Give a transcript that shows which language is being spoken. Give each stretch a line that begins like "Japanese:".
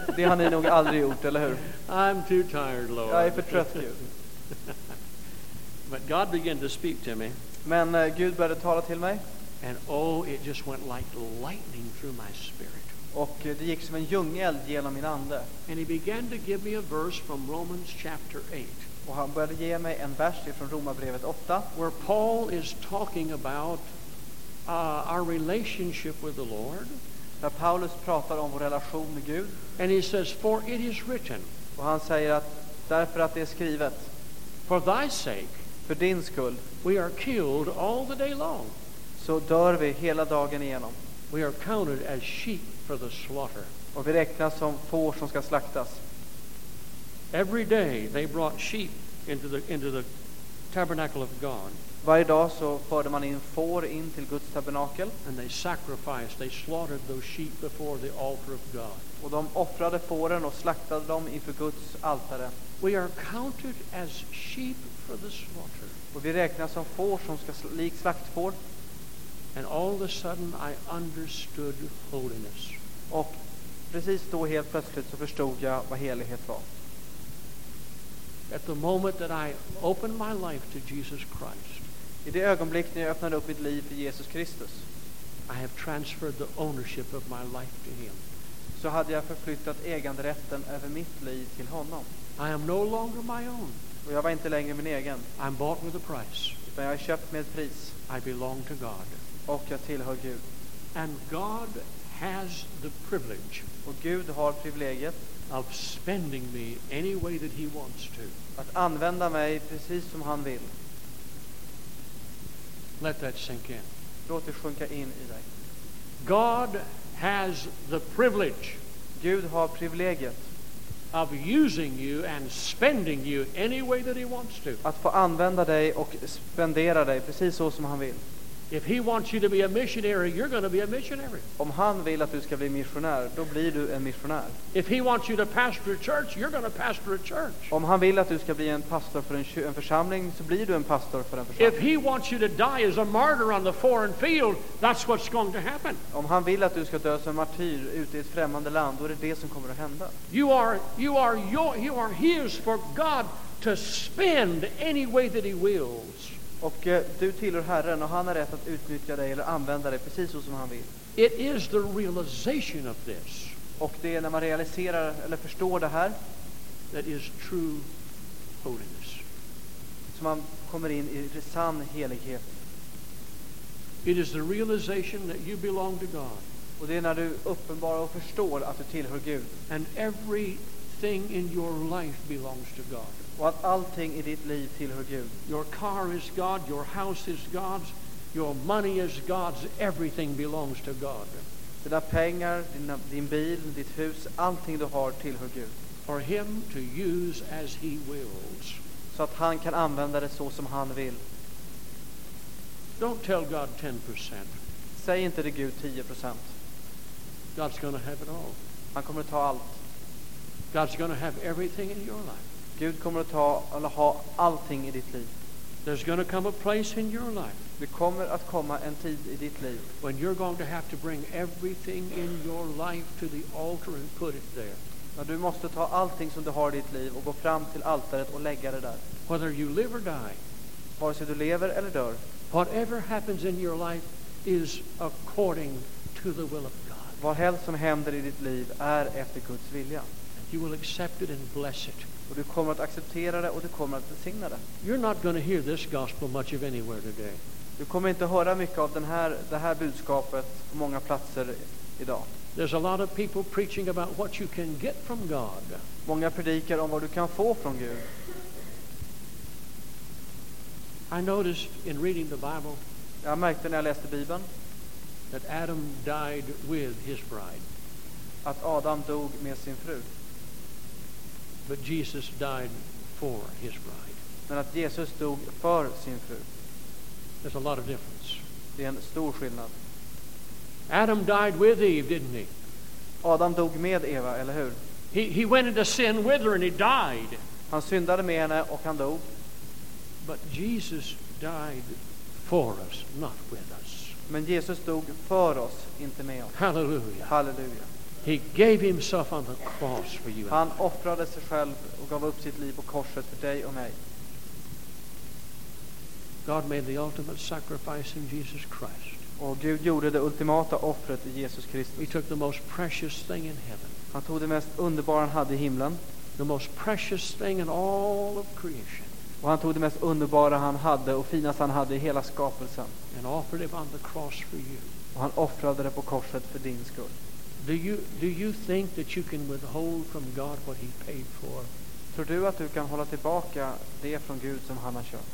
Swedish: Det har ni nog aldrig gjort, eller hur?
English: I'm too tired, Lord.
Swedish: Jag är för trött, Gud.
English: But God began to speak to me.
Swedish: Men Gud började tala till mig.
English: And oh, it just went like lightning through my spirit.
Swedish: Och det gick som en ljungeld genom min ande.
English: And he began to give me a verse from Romans chapter 8.
Swedish: Och han började ge mig en vers från Romarbrevet 8.
English: Where Paul is talking about our relationship with the Lord.
Swedish: Där Paulus pratar om vår relation med Gud.
English: And he says, for it is written.
Swedish: Och han säger att därför att det är skrivet.
English: For thy sake.
Swedish: För din skull.
English: We are killed all the day long.
Swedish: Så dör vi hela dagen igenom.
English: We are counted as sheep for the slaughter.
Swedish: Och vi räknas som får som ska slaktas.
English: Every day they brought sheep into the tabernacle of God.
Swedish: Varje dag så förde man in får in till Guds tabernakel.
English: And they sacrificed, they slaughtered those sheep before the altar of God.
Swedish: Och de offrade fåren och slaktade dem inför Guds altare.
English: We are counted as sheep for the slaughter.
Swedish: Och vi räknas som får som ska lik slaktfår.
English: And all of a sudden I understood holiness.
Swedish: Och precis då helt plötsligt så förstod jag vad helighet var.
English: At the moment that I opened my life to Jesus Christ.
Swedish: I det ögonblick när jag öppnade upp mitt liv för Jesus Kristus.
English: I have transferred the ownership of my life to him.
Swedish: Så hade jag förflyttat äganderätten över mitt liv till honom.
English: I am no longer my own.
Swedish: Och jag var inte längre min egen.
English: I'm bought with a price.
Swedish: Utan jag är köpt med ett pris.
English: I belong to God.
Swedish: Och jag tillhör Gud.
English: And God has the privilege.
Swedish: Och Gud har privilegiet.
English: Of spending me any way that he wants to.
Swedish: Att använda mig precis som han vill.
English: Let that sink in.
Swedish: Låt det sjunka in i dig.
English: God has the privilege.
Swedish: Gud har privilegiet.
English: Of using you and spending you any way that he wants to.
Swedish: Att få använda dig och spendera dig precis så som han vill.
English: If he wants you to be a missionary, you're going to be a missionary.
Swedish: Om han vill att du ska bli missionär, då blir du en missionär.
English: If he wants you to pastor a church, you're going to pastor a church.
Swedish: Om han vill att du ska bli en pastor för en församling, så blir du en pastor för en församling.
English: If he wants you to die as a martyr on the foreign field, that's what's going to happen.
Swedish: Om han vill att du ska dö som martyr ute i ett främmande land, då är det som kommer att hända.
English: You are his for God to spend any way that he wills.
Swedish: Och du tillhör Herren och han har rätt att utnyttja dig eller använda dig precis så som han vill.
English: It is the realization of this.
Swedish: Och det är när man realiserar eller förstår det här.
English: That is true holiness.
Swedish: Så man kommer in i sann helighet.
English: It is the realization that you belong to God.
Swedish: Och det är när du uppenbarar och förstår att du tillhör Gud.
English: And everything in your life belongs to God.
Swedish: Och att allting i ditt liv tillhör Gud.
English: Your car is God, your house is God's, your money is God's, everything belongs to God.
Swedish: Dina pengar, din bil, ditt hus, allting du har tillhör Gud.
English: For him to use as he wills.
Swedish: Så att han kan använda det så som han vill.
English: Don't tell God 10%.
Swedish: Säg inte till Gud 10%.
English: God's going to have it all.
Swedish: Han kommer att ta allt.
English: God's going to have everything in your life.
Swedish: Gud kommer att ta eller ha allting i ditt liv.
English: There's going to come a place in your life.
Swedish: Det kommer att komma en tid i ditt liv.
English: When you're going to have to bring everything in your life to the altar and put it there.
Swedish: När du måste ta allting som du har i ditt liv och gå fram till altaret och lägga det där.
English: Whether you live or die.
Swedish: Vare sig du lever eller dör.
English: Whatever happens in your life is according to the will of God.
Swedish: Vad helst som händer i ditt liv är efter Guds vilja.
English: You will accept it and bless it.
Swedish: Och du kommer att acceptera det och du kommer att välsigna det.
English: You're not going to hear this gospel much of anywhere today.
Swedish: Du kommer inte att höra mycket av det här budskapet på många platser idag.
English: There's a lot of people preaching about what you can get from God.
Swedish: Många predikar om vad du kan få från Gud.
English: I noticed in reading the Bible.
Swedish: Jag märkte när jag läste Bibeln.
English: That Adam died with his bride.
Swedish: Att Adam dog med sin fru.
English: But Jesus died for his bride.
Swedish: Men att Jesus dog för sin fru.
English: There's a lot of difference.
Swedish: Det är en stor skillnad.
English: Adam died with Eve, didn't he?
Swedish: Adam dog med Eva, eller hur?
English: He went into sin with her and he died.
Swedish: Han syndade med henne och han dog.
English: But Jesus died for us, not with us.
Swedish: Men Jesus dog för oss, inte med oss.
English: Hallelujah.
Swedish: Hallelujah.
English: He gave himself on the cross for you.
Swedish: Han offrade sig själv och gav upp sitt liv på korset för dig och mig.
English: God made the ultimate sacrifice in Jesus Christ.
Swedish: Och Gud gjorde det ultimata offret i Jesus Kristus.
English: He took the most precious thing in heaven.
Swedish: Han tog det mest underbara han hade i himlen.
English: The most precious thing in all of creation.
Swedish: Och han tog det mest underbara han hade och finaste han hade i hela skapelsen.
English: And offered it on the cross for you.
Swedish: Och han offrade det på korset för din skull.
English: Do you think that you can withhold from God what he paid for?
Swedish: Tror du att du kan hålla tillbaka det från Gud som han har köpt?